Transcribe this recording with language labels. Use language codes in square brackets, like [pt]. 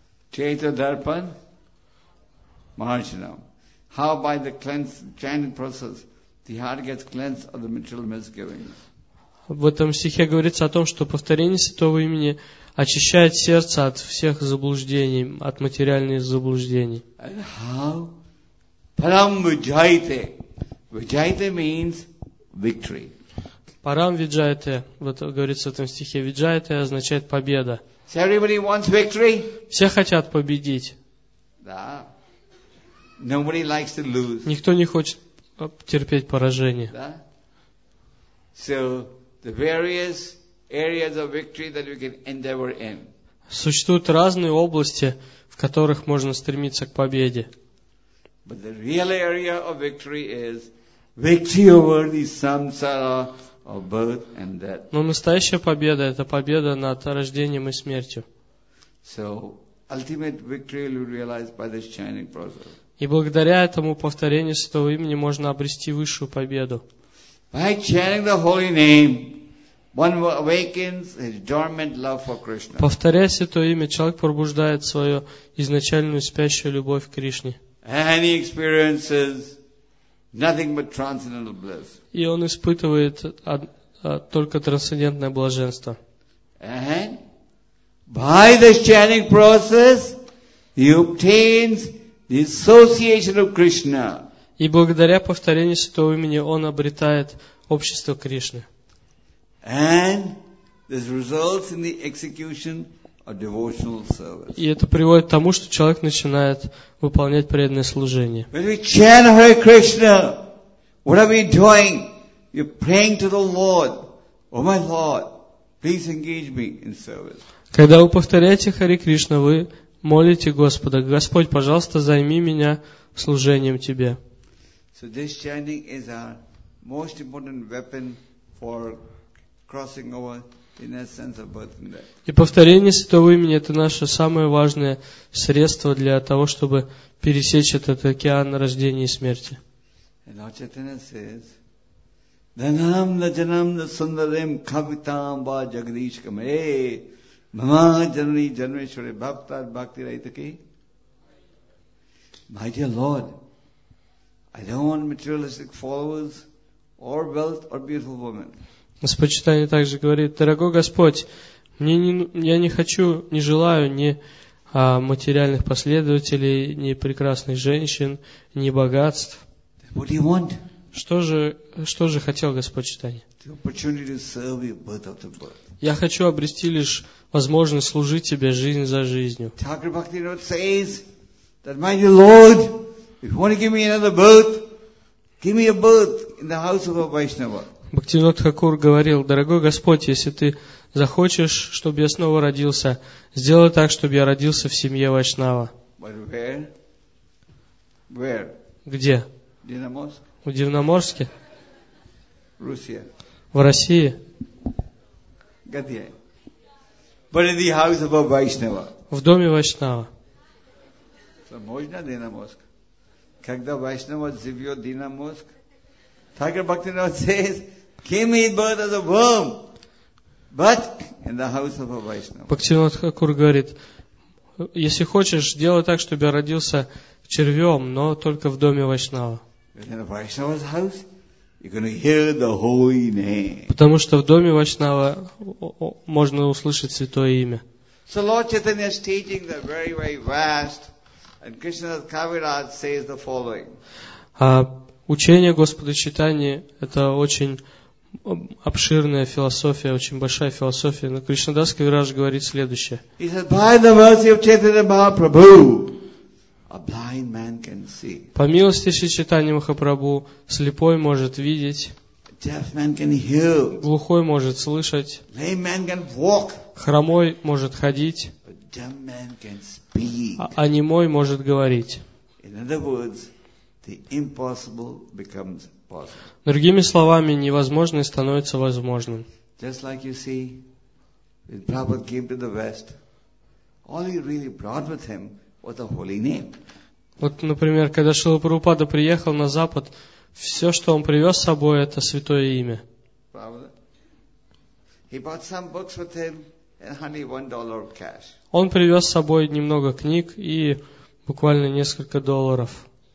[sa] Чейта дарпан маржинам. [en] How by the chanting process the heart gets cleansed of the material misgivings. [ru] В этом стихе говорится о том, что повторение святого имени очищает сердце от всех заблуждений, от материальных заблуждений. [en] And how? [sa] Param виджайте. [en] Виджайте means victory. [sa] Param виджайте, [ru] говорится в этом стихе. Виджайте означает победа. [en] So everybody wants victory? [ru] Все хотят победить. Да. [en] Nobody likes to lose. [ru] Никто не хочет терпеть поражение. Да. [en] So, the various areas of victory that we can endeavor in. [ru] Существуют разные области, в которых можно стремиться к победе. [en] But the real area of victory is victory over the samsara of birth and death. [ru] Но настоящая победа — это победа над рождением и смертью. [en] So ultimate victory will be realized by this chanting process. [ru] И благодаря этому повторению святого имени можно обрести высшую победу. [en] By chanting the holy name, one awakens his dormant love for Krishna. [ru] Повторяя святое имя, человек пробуждает свою изначальную спящую любовь к Кришне. [en] And he experiences nothing but transcendental bliss. [ru] И он испытывает только трансцендентное блаженство. [en] And by the chanting process, he obtains the association of Krishna. [ru] И благодаря повторению святого имени он обретает общество Кришны. [en] And this results in the execution of devotional service. [ru] И это приводит к тому, что человек начинает выполнять преданное служение. [en] When we chant Hare Krishna, what are we doing? You're praying to the Lord. Oh my Lord, please engage me in service. [ru] Когда вы повторяете Хари Кришна, вы молите Господа: Господь, пожалуйста, займи меня служением Тебе. [en] So this chanting is our most important weapon for crossing over the inner sense of birth and death. [ru] И повторение святого имени — это наше самое важное средство для того, чтобы пересечь этот океан рождения и смерти. [en] And Lord Chaitanya says, [sa] Dhanam Najanam Sundarim Kavitam Va Jagadishkam Hey Mama Janani Janveshwari Bhaktar Bhakti Raitaki. [en] My dear Lord, I don't want materialistic followers or wealth or beautiful women. [ru] Господь Читания также говорит: дорогой Господь, я не желаю ни материальных последователей, ни прекрасных женщин, ни богатств. [en] What do you want? [ru] Что же хотел Господь Читания? [en] The opportunity to serve you birth after birth. [ru] Я хочу обрести лишь возможность служить Тебе жизнь за жизнью. [en] Thakur Bhakti Rao says that my dear Lord, if you want to give me another birth, give me a birth in the house of a Vaishnava. [ru] Бхактивинод Хакур говорил: дорогой Господь, если Ты захочешь, чтобы я снова родился, сделай так, чтобы я родился в семье Вайшнава. [en] But where? Where? [ru] Где? [en] Dynamosk? [ru] В Дивноморске? [en] Russia. [ru] В России? Где? [en] But in the house of a Vaishnava. [ru] В доме Вайшнава. [en] So, [ru] можно Динамоск? Когда Вайшнава живет Динамоск, [en] Thakur Bhaktivinoda says, came in birth as a worm, but in the house of a Vaishnava. [ru] Бхактивинода Тхакур говорит, если хочешь, сделай так, чтобы я родился червем, но только в доме Вайшнава. [en] In a Vaishnava's house, you're going to hear the holy name. [ru] Потому что в доме Вайшнава можно услышать святое имя. [en] So Lord Chaitanya's teaching is very, very vast, and Krishnadas Kaviraj says the following. [ru] Учение Господа Чайтаньи – это очень обширная философия, очень большая философия. Но Кришнадас Кавирадж говорит следующее. [en] He said, by the mercy of Chaitanya Mahaprabhu, a blind man can see. [ru] По милости Шри Чайтаньи Махапрабху, слепой может видеть. [en] Deaf man can hear. [ru] Глухой может слышать. [en] Lame man can walk. [ru] Хромой может ходить. [en] But dumb man can speak. [ru] А немой может говорить. [en] In other words, the impossible becomes possible. [ru] Другими словами, невозможное становится возможным. [en] Just like you see, when Prabhupada came to the West, all he really brought with him was the holy name. [ru] Вот, например, когда Шрила Прабхупада приехал на Запад, все, что он привез с собой, это святое имя. Он привез с собой немного книг и буквально несколько долларов.